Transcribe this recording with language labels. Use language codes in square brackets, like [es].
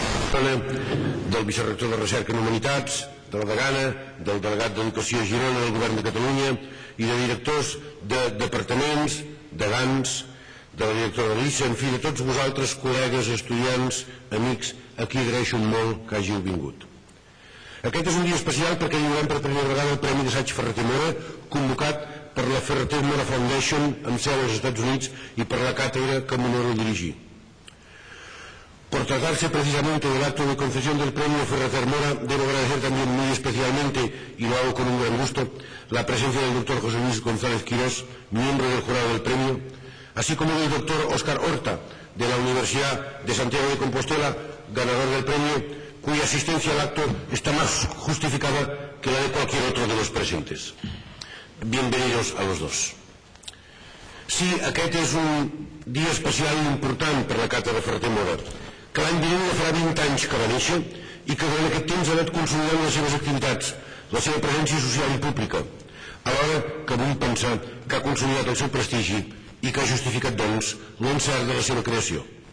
[ca] Dona del vicerrector de Recerca en Humanitats, de la degana, del delegat d'Educació a Girona del Govern de Catalunya i de directors de departaments, de GAMS, de la directora de l'ISA, en fi, de tots vosaltres, col·legues, estudiants, amics, a qui agraeixo molt que hàgiu vingut. Aquest és un dia especial perquè lliurem per primera vegada el Premi d'Assaig Ferreter Mora, convocat per la Ferreter Mora Foundation amb seu als Estats Units i per la càtedra que m'honoro dirigir. [es] Por tratarse precisamente del acto de concesión del premio Ferreter Mora, debo agradecer también muy especialmente, y lo hago con un gran gusto, la presencia del doctor José Luis González Quirós, miembro del jurado del premio, así como del doctor Óscar Horta, de la Universidad de Santiago de Compostela, ganador del premio, cuya asistencia al acto está más justificada que la de cualquier otro de los presentes. Bienvenidos a los dos. [ca] Sí, aquest és un dia especial i important per la càtedra Ferreter Mora, que l'any vinent ja farà 20 anys que va néixer i que durant aquest temps ha anat consolidant les seves activitats, la seva presència social i pública, alhora que vull pensar que ha consolidat el seu prestigi i que ha justificat, doncs, l'encert de la seva creació.